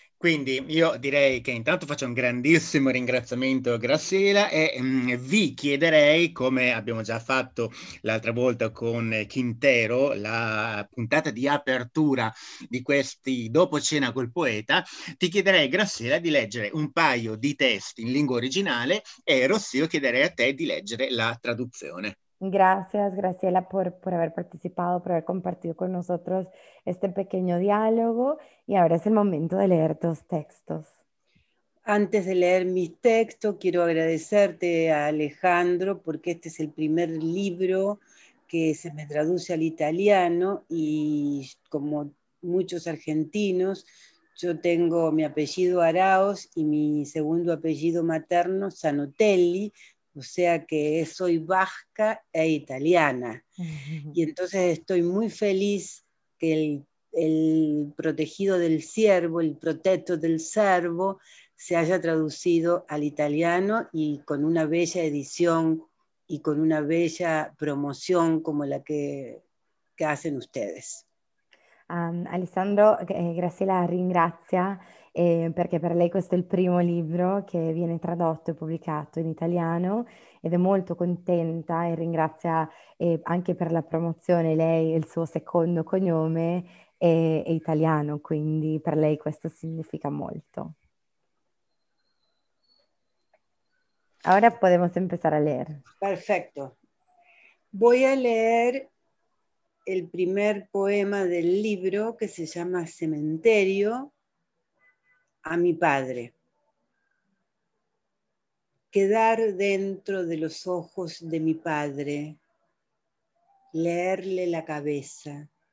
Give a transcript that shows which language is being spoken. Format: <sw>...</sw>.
<it>Quindi io direi che intanto faccio un grandissimo ringraziamento a Graziella e vi chiederei, come abbiamo già fatto l'altra volta con Quintero, la puntata di apertura di questi Dopo cena col poeta, ti chiederei Graziella di leggere un paio di testi in lingua originale e Rossio chiederei a te di leggere la traduzione.</it> <es>Gracias, Graciela, por haber participado, por haber compartido con nosotros este pequeño diálogo. Y ahora es el momento de leer tus textos. Antes de leer mis textos, quiero agradecerte a Alejandro porque este es el primer libro que se me traduce al italiano y como muchos argentinos, yo tengo mi apellido Araoz y mi segundo apellido materno Zanotelli, o sea que soy vasca e italiana. Y entonces estoy muy feliz que el protegido del ciervo, el protetto del ciervo, se haya traducido al italiano y con una bella edición y con una bella promoción como la que hacen ustedes.</es> <it>Alessandro, Graziella ringrazia perché per lei questo è il primo libro che viene tradotto e pubblicato in italiano ed è molto contenta e ringrazia anche per la promozione lei, il suo secondo cognome è italiano, quindi per lei questo significa molto. Ora possiamo iniziare a leggere.</it> <es>Perfecto. Voy a leer el primer poema del libro que se llama Cementerio a mi padre. Quedar dentro de los ojos de mi padre, leerle la cabeza.</es>